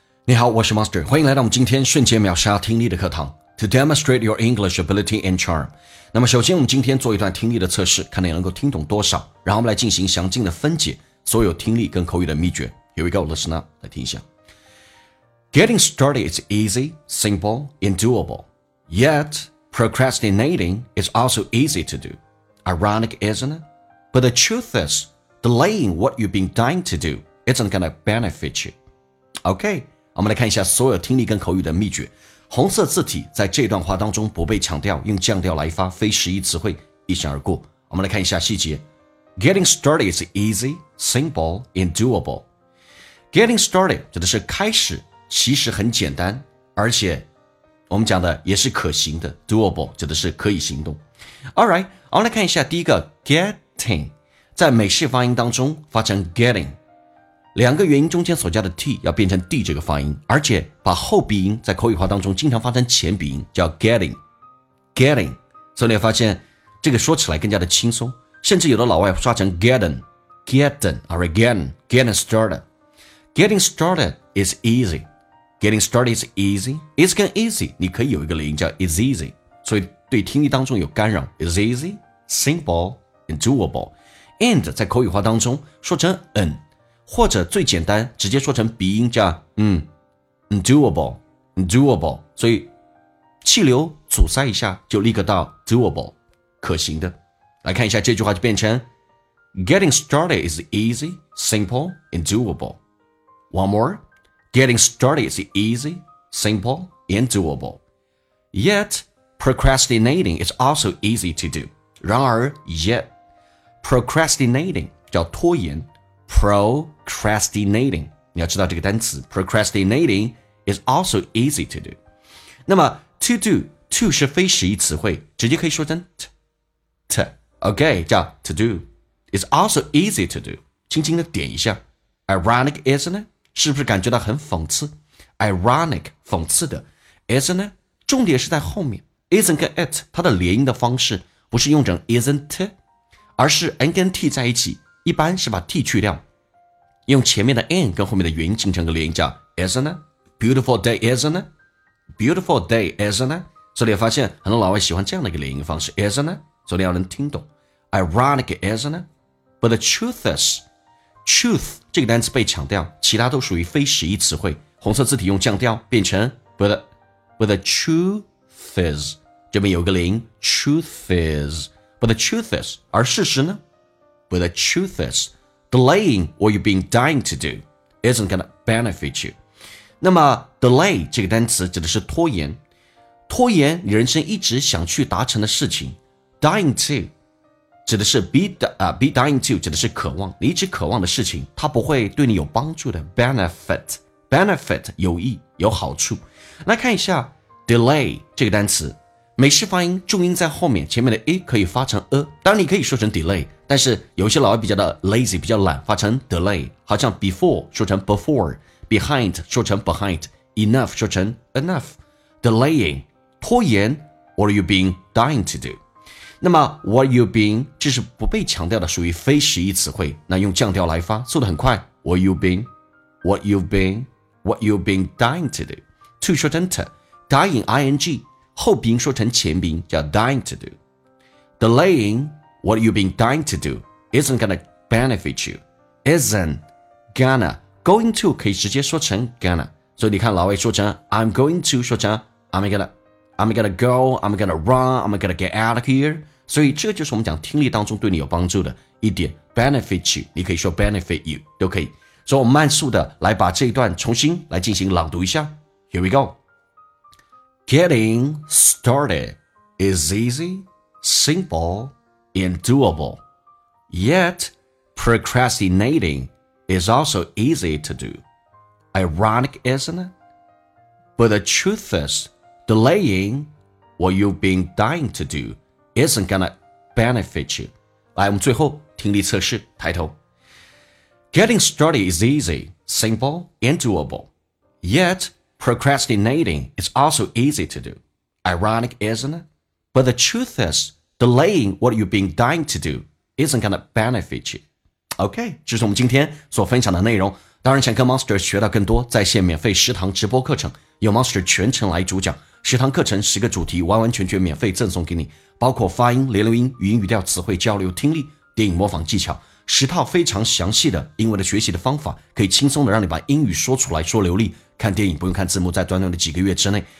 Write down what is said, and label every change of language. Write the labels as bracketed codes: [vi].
[zh] 你好，我是 Master， 欢迎来到我们今天瞬间秒杀听力的课堂 [en] To demonstrate your English ability and charm。 [zh] 那么首先我们今天做一段听力的测试，看你能够听懂多少，然后我们来进行详尽的分解所有听力跟口语的秘诀。 [en] Here we go, listen up, [zh] 来听一下。 [en] Getting started is easy, simple, and doable. Yet, procrastinating is also easy to do. Ironic, isn't it? But the truth is, delaying what you've been dying to do isn't gonna benefit you. Okay. [zh] 我们来看一下所有听力跟口语的秘诀。红色字体在这段话当中不被强调，用降调来发非实义词汇一闪而过。我们来看一下细节。 [en] Getting started is easy, simple, and doable. [zh] Getting started 指的是开始，其实很简单，而且我们讲的也是可行的。 Doable 指的是可以行动。Alright, 我们来看一下第一个 getting， 在美式发音当中发成 getting，两个元音中间所加的 T 要变成 D 这个发音，而且把后鼻音在口语化当中经常发成前鼻音，叫 getting getting， 所以你会发现这个说起来更加的轻松，甚至有的老外刷成 getting getting or again getting started。 [en] Getting started is easy, getting started is easy, it's can easy， [zh] 你可以有一个连音叫 [en] is easy， [zh] 所以对听力当中有干扰。 [en] Is easy, simple, and doable. [zh] And 在口语化当中说成 an，或者最简单直接说成鼻音叫doable， 所以气流阻塞一下就立刻到 doable， 可行的。来看一下这句话就变成 [en] Getting started is easy, simple, and doable. One more, Getting started is easy, simple, and doable. Yet, procrastinating is also easy to do. [zh] 然而 [en] yet, procrastinating [zh] 叫拖延， [en] Procrastinating， [zh] 你要知道这个单词 [en] Procrastinating is also easy to do。 [zh] 那么 to do， to 是非实义词汇，直接可以说成 OK， 叫 to do is also easy to do， 轻轻的点一下。 [en] Ironic isn't it， [zh] 是不是感觉到很讽刺？Ironic 讽刺的， isn't it 重点是在后面， isn't 跟 it 它的连音的方式不是用成 isn't， 而是 n 跟 t 在一起，一般是把 T 去掉，用前面的 N 跟后面的元音形成个连音叫 Isn't it? [en] Beautiful day, isn't it? Beautiful day, isn't it? [zh] 所以你发现很多老外喜欢这样的一个连音方式 Isn't it? 所以你要能听懂 [en] Ironic, isn't it? But the truth is, truth [zh] 这个单词被强调，其他都属于非实义词汇，红色字体用降调变成 [en] But the truth is， [zh] 这边有个连音 [en] Truth is， But the truth is， [zh] 而事实呢， [en] But the truth is, delaying what you've been dying to do isn't gonna benefit you. [zh] 那么 delay 这个单词指的是拖延，拖延你人生一直想去达成的事情。 Dying to 指的是 be dying to 指的是渴望，你一直渴望的事情它不会对你有帮助的。 benefit 有益有好处。来看一下 delay 这个单词，美式发音重音在后面，前面的 a 可以发成 a， 当然你可以说成 delay， 但是有些老外比较的 lazy 比较懒，发成 delay， 好像 before 说成 before， behind 说成 behind， enough 说成 enough， delaying 拖延 what you've been dying to do。那么 what you've been 这是不被强调的，属于非实义词汇，那用降调来发速度很快， what you've been， what you've been， [en] what you've been dying to do， [zh] to 说成 t， dying ing后鼻音说成前鼻音叫 dying to do。 [en] Delaying what you've been dying to do isn't gonna benefit you. Isn't gonna going to 可以直接说成 gonna， [zh] 所以你看老外说成 [en] I'm going to， 说成 I'm gonna go， I'm gonna run， I'm gonna get out of here。 [zh] 所以这就是我们讲听力当中对你有帮助的一点， benefit you， 你可以说 benefit you 都可以。所以我们慢速的来把这一段重新来进行朗读一下。 [en] Here we goGetting started is easy, simple, and doable. Yet, procrastinating is also easy to do. Ironic, isn't it? But the truth is, delaying what you've been dying to do isn't gonna benefit you. [zh] 来，我们最后听力测试，抬头。 [en] Getting started is easy, simple, and doable. Yet,Procrastinating is also easy to do. Ironic, isn't it? But the truth is, delaying what you've been dying to do isn't gonna benefit you. Okay, [zh] 这是我们今天所分享的内容。当然想跟 Monster 学到更多，在线免费食堂直播课程，有 Monster 全程来主讲，食堂课程十个主题完完全全免费赠送给你，包括发音、连留音、语音语调、词汇交流、听力、电影模仿技巧，十套非常详细的英文的学习的方法，可以轻松的让你把英语说出来说流利，看电影不用看字幕，在短短的几个月之内。